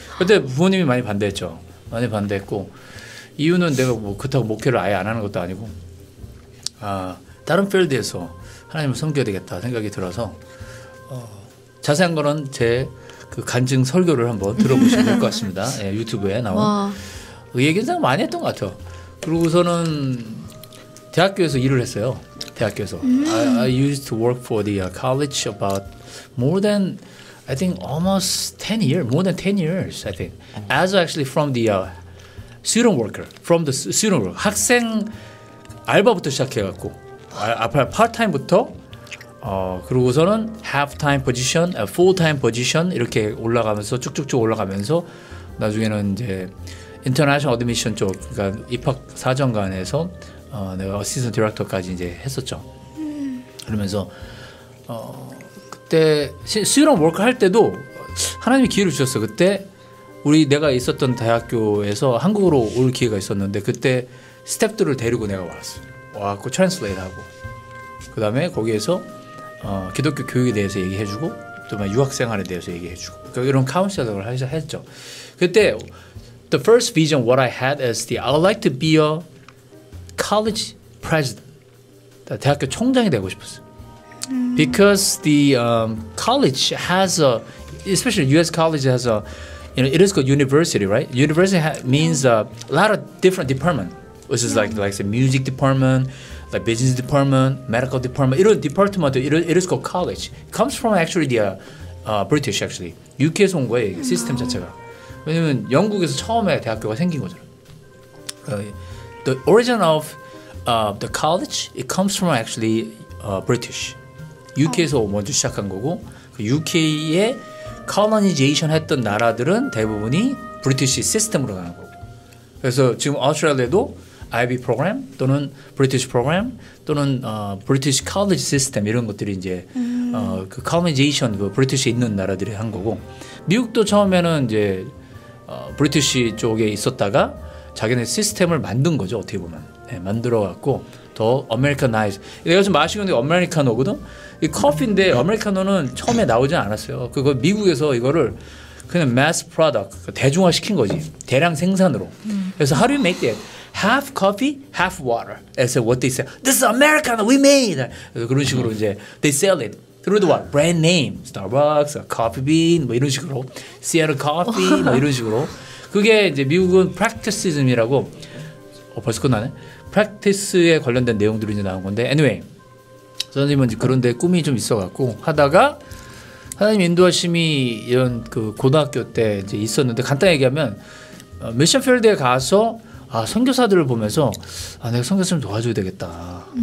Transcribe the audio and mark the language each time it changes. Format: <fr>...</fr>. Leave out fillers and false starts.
<ko>그때 부모님이 많이 반대했죠. 많이 반대했고 이유는 내가 뭐 그렇다고 목회를 아예 안 하는 것도 아니고 다른 필드에서 하나님을 섬겨야 되겠다 생각이 들어서 자세한 거는 제 그 간증 설교를 한번 들어보시면 될 것 같습니다. 예, 유튜브에 나온. 그 얘기는 많이 했던 것 같아요. 그리고서는 대학교에서 일을 했어요. 대학교에서</ko> <en>I used to work for the college about more than I think almost 10 years, more than 10 years I think as actually from the student worker, from the student worker</en> <ko>학생 알바부터 시작해갖고 앞에 파트타임부터 그리고서는</ko> <en>half-time position, full-time position</en> <ko>이렇게 올라가면서 쭉쭉쭉 올라가면서 나중에는 이제</ko> <en>international admission</en> <ko>쪽 그러니까 입학 사정관에서 내가 어시스턴트 디렉터까지 이제 했었죠. 그러면서 그때 수련 워크 할 때도 하나님이 기회를 주셨어. 그때 우리 내가 있었던 대학교에서 한국으로 올 기회가 있었는데 그때 스태프들을 데리고 내가 왔어. 와갖고 트랜슬레이트하고 그 다음에 거기에서 기독교 교육에 대해서 얘기해주고 또 막 유학생활에 대해서 얘기해주고 그러니까 이런 카운슬링을 했죠.</ko> <en>그때 the first vision what I had is the I would like to be a college president,</en> <ko>대학교 총장이 되고 싶었어.</ko> <en>Because the college has a, especially U.S. college has a, you know, it is called university, right? University means a lot of different department, which is like say music department, like business department, medical department. 이런 department, it is called college. It comes from actually the British actually.</en> <ko>UK에서 온 거예요, 시스템 자체가. 왜냐면 영국에서 처음에 대학교가 생긴 거잖아.</ko> <en>The origin of the college, it comes from actually British.</en> <ko>UK에서 먼저 시작한 거고 그 UK에 colonization 했던 나라들은 대부분이 British 시스템으로 가는 거고 그래서 지금 Australia에도 IB program 또는 British program 또는 British college system 이런 것들이 이제 그 colonization, 그 British에 있는 나라들이 한 거고 미국도 처음에는 이제 British 쪽에 있었다가 자기네 시스템을 만든 거죠 어떻게 보면 네, 만들어갖고 더 아메리카나이즈 내가 지금 마시는 게 아메리카노거든 이 커피인데 아메리카노는 처음에 나오지 않았어요 그거 미국에서 이거를 그냥 마스 프로덕트 대중화 시킨 거지 대량 생산으로 그래서</ko> <en>how do you make that? half coffee half water as what they say this is americano we made</en> <ko>그런 식으로 이제</ko> <en>they sell it through the what brand name starbucks coffee bean</en> <ko>뭐 이런 식으로</ko> <en>seattle coffee</en> <ko>뭐 이런 식으로 그게 이제 미국은 practicism이라고 벌써 끝나네. practice에 관련된 내용들이 이제 나온 건데 anyway 선생님은 이제 그런데 꿈이 좀 있어갖고 하다가 하나님 인도하심이 이런 그 고등학교 때 이제 있었는데 간단히 얘기하면 미션 필드에 가서 아 선교사들을 보면서 아 내가 선교사님 도와줘야 되겠다.</ko>